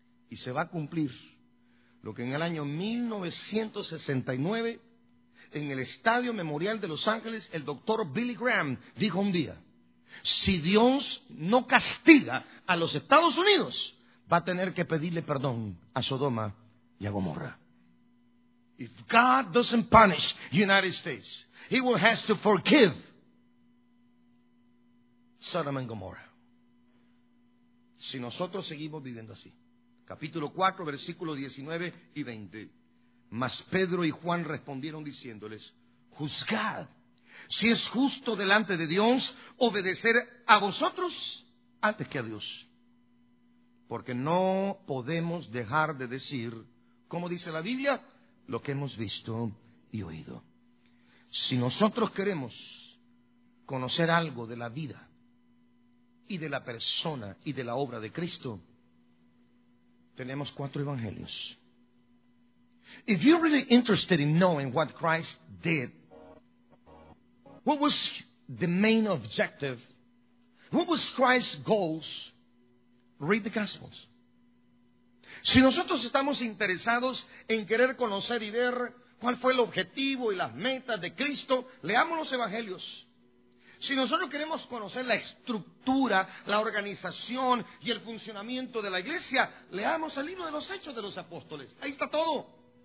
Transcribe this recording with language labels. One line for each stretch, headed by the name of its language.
Spanish: Y se va a cumplir lo que en el año 1969, en el Estadio Memorial de Los Ángeles, el doctor Billy Graham dijo un día: si Dios no castiga a los Estados Unidos, va a tener que pedirle perdón a Sodoma y a Gomorra.
English: If God doesn't punish the United States, he will have to forgive Sodom and Gomorrah.
Spanish: Si nosotros seguimos viviendo así. Capítulo 4, versículo 19 y 20. Mas Pedro y Juan respondieron diciéndoles: juzgad si es justo delante de Dios obedecer a vosotros antes que a Dios. Porque no podemos dejar de decir, como dice la Biblia, lo que hemos visto y oído. Si nosotros queremos conocer algo de la vida y de la persona y de la obra de Cristo, tenemos cuatro evangelios.
English: If you're really interested in knowing what Christ did, what was the main objective, what was Christ's goals, read the Gospels.
Spanish: Si nosotros estamos interesados en querer conocer y ver cuál fue el objetivo y las metas de Cristo, leamos los evangelios. Si nosotros queremos conocer la estructura, la organización y el funcionamiento de la iglesia, leamos el libro de los Hechos de los Apóstoles. Ahí está todo.